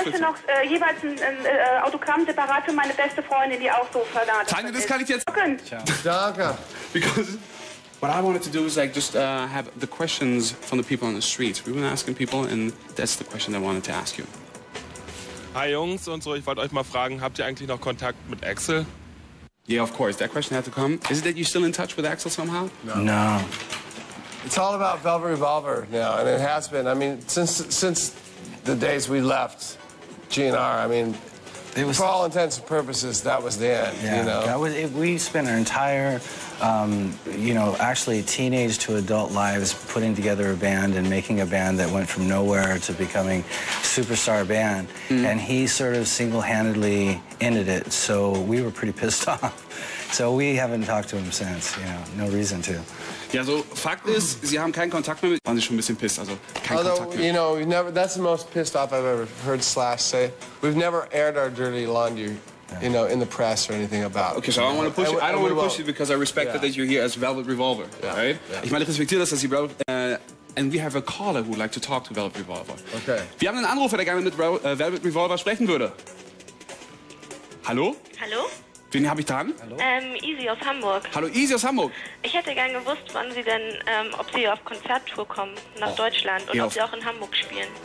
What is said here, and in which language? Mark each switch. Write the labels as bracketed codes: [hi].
[de] ich wollte noch jeweils ein Autogramm separat für meine beste Freundin, die auch so verdammt. Tanja, das kann ich jetzt. Ciao. Danke. [en] Because what I wanted to do is like just have the questions from the people on the streets. We've been asking people and that's the question I wanted to ask you. [de] Hi Jungs und so, ich wollte euch mal fragen, habt ihr eigentlich noch Kontakt mit Axel? [en] Yeah, of course. That question had to come. Is it that you're still in touch with Axel somehow? No. It's all about Velvet Revolver now, and it has been. I mean, since the days we left GNR, I mean, for all intents and purposes, that was the end, We spent our entire, actually teenage to adult lives putting together a band and making a band that went from nowhere to becoming superstar band. Mm-hmm. And he sort of single-handedly ended it, so we were pretty pissed off. So we haven't talked to him since, you know, no reason to. [de] Ja, so Fakt ist, sie haben keinen Kontakt mehr mit... Waren sie schon ein bisschen pissed, also kein Kontakt mehr. [en] Although, you know, we've never, that's the most pissed off I've ever heard Slash say. We've never aired our dirty laundry, you know, in the press or anything about. Okay, so I don't want to push you. I don't want to push you because I respect that you're here as Velvet Revolver, right? [de] Ich meine, ich respektiere das, dass sie... [en] And we have a caller who would like to talk to Velvet Revolver. Okay. [de] Wir haben einen Anrufer, der gerne mit Velvet Revolver sprechen würde. Hallo? Hallo? Wen habe ich dran? Easy aus Hamburg. Hallo, Easy aus Hamburg. Ich hätte gern gewusst, wann Sie denn, ob Sie auf Konzerttour kommen nach Deutschland und ob Sie auch in Hamburg spielen.